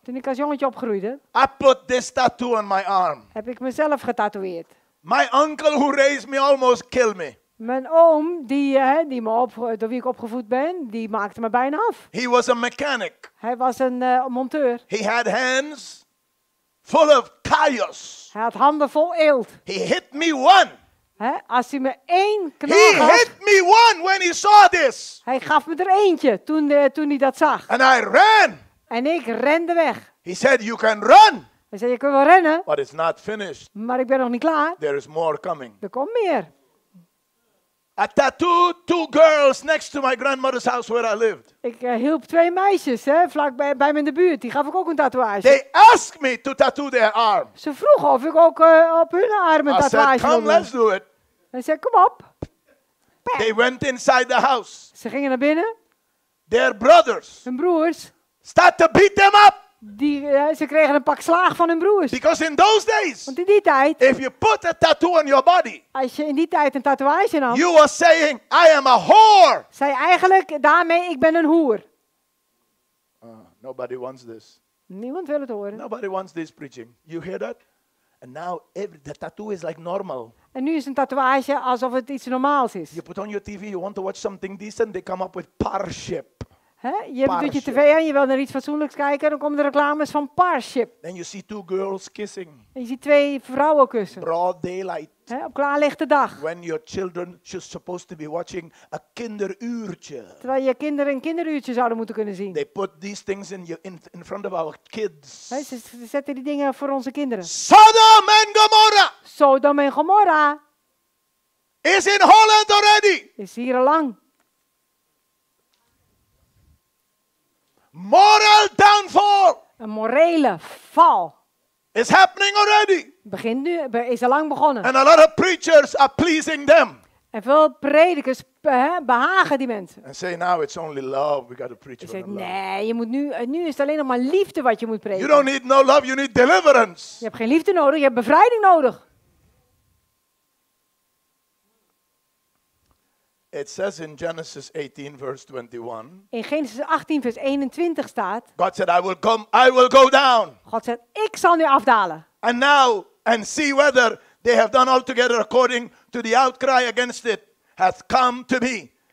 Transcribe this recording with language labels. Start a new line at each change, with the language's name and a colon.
Dutch: toen ik als jongetje opgroeide,
English: I put this tattoo on my arm.
Dutch: Heb ik mezelf getatoeëerd.
English: My uncle who raised me almost killed me.
Dutch: Mijn oom, door wie ik opgevoed ben, die maakte me bijna af.
English: He was a mechanic.
Dutch: Hij was een monteur.
English: He had hands full of chaos.
Dutch: Hij had handen vol eelt.
English: He hit me one.
Dutch: Als hij me één knal
English: he
Dutch: gaf.
English: He hit me one when he saw this.
Dutch: Hij gaf me er eentje toen hij dat zag.
English: And I ran.
Dutch: En ik rende weg.
English: He said, you can run.
Dutch: Hij zei, je kunt wel rennen.
English: But it's not finished.
Dutch: Maar ik ben nog niet klaar.
English: There is more coming.
Dutch: Er komt meer.
English: I tattooed two girls next to my grandmother's house where I lived.
Dutch: Ik hielp twee meisjes vlak bij me in de buurt. Die gaf ik ook een tatoeage.
English: They asked me to tattoo their arm.
Dutch: Ze vroegen of ik ook op hun arm een tatoeage wilde.
English: I said, come, let's do it.
Dutch: En ze zei, kom op.
English: Bam. They went inside the house.
Dutch: Ze gingen naar binnen.
English: Their brothers.
Dutch: Hun broers.
English: Start to beat them up.
Dutch: Ze kregen een pak slaag van hun broers.
English: Because in those days,
Dutch: want in die tijd,
English: if you put a tattoo on your body,
Dutch: als je in die tijd een tatoeage had,
English: you were saying, I am a whore.
Dutch: Zei eigenlijk daarmee, ik ben een hoer.
English: Nobody wants this.
Dutch: Niemand wil het horen.
English: Nobody wants this preaching. You hear that? And now the tattoo is like normal.
Dutch: En nu is een tatoeage alsof het iets normaals is.
English: You put on your TV, you want to watch something decent, they come up with Parship.
Dutch: Je doet je tv aan, je wil naar iets fatsoenlijks kijken, dan komen de reclames van Parship.
English: Then you see two girls kissing.
Dutch: En je ziet twee vrouwen kussen.
English: Broad daylight.
Dutch: Op klaarlichte dag.
English: When your children should supposed to be watching a kinderuurtje.
Dutch: Terwijl je kinderen een kinderuurtje zouden moeten kunnen zien.
English: They put these things in front of our kids.
Dutch: Ze zetten die dingen voor onze kinderen. Sodom en Gomorra. Sodom en Gomorra.
English: Is in Holland already.
Dutch: Is hier al lang.
English: Moral downfall.
Dutch: Een morele val.
English: Is happening already.
Dutch: Begint nu, is al lang begonnen.
English: And a lot of preachers are pleasing them.
Dutch: En veel predikers behagen die mensen.
English: And say now it's only love we got to preach.
Dutch: Zegt, nee, je moet nu is het alleen nog maar liefde wat je moet prediken.
English: You don't need no love, you need deliverance.
Dutch: Je hebt geen liefde nodig, je hebt bevrijding nodig.
English: It says in Genesis 18 verse 21.
Dutch: In Genesis 18 vers 21 staat.
English: God said, I will go down.
Dutch: God zegt, ik zal nu afdalen.
English: And now and see whether they have done altogether according to the outcry against it hath come to me.